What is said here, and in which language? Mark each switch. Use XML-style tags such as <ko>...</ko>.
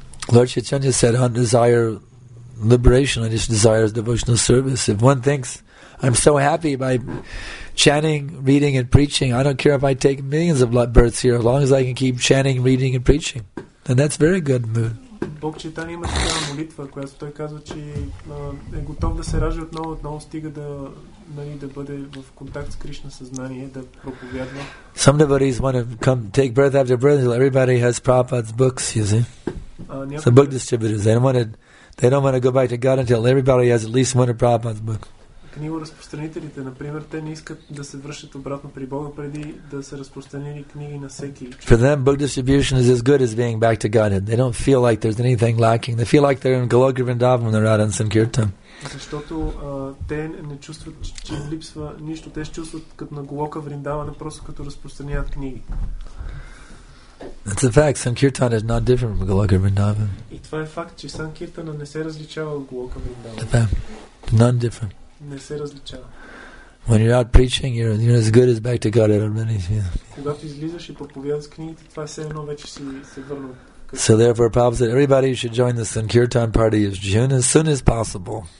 <en>Lord Chaitanya said, on desire liberation, I just desire devotional service. If one thinks, I'm so happy by chanting, reading, and preaching, I don't care if I take millions of births here, as long as I can keep chanting, reading, and preaching, then that's very good mood.</en> <bg>Бог Чайтани има такава молитва, която той казва, че е готов да се ражи отново, стига да бъде в контакт с Кришна съзнание, да проповядва.</bg> <en>Some devotees want to come, take breath after breath, everybody has Prabhupada's books, you see. So book distributors, they don't want to go back to God until everybody has at least one of Prabhupada's books.</en> <bg>книгоразпространителите, например, те не искат да се връщат обратно при Бога преди да са разпространени книги на всеки.</bg> <en>For them, book distribution is as good as being back to Godhead. They don't feel like there's anything lacking. They feel like they're in Goloka Vrindavan when they're out in Sankirtan.</en> <bg>Защото те не чувстват, че им липсва нищо. Те се чувстват като на Голока Вриндавана, просто като разпространяват книги.</bg> <en>That's a fact. Sankirtan is not different from Goloka Vrindavan.</en> <bg>И това е факт, че Sankirtana не се различава от Goloka</bg> <en>Vrindavan. None different.</en> <bg>Не се различава.</bg> <en>When you're out preaching, you're as good as back to God at many times.</en> <bg>Когато излизаш и проповядваш книгите, това е все едно вече си се върнал.</bg> <en>So therefore, Prabhupada said, everybody should join the Sankirtan party as soon as possible.</en>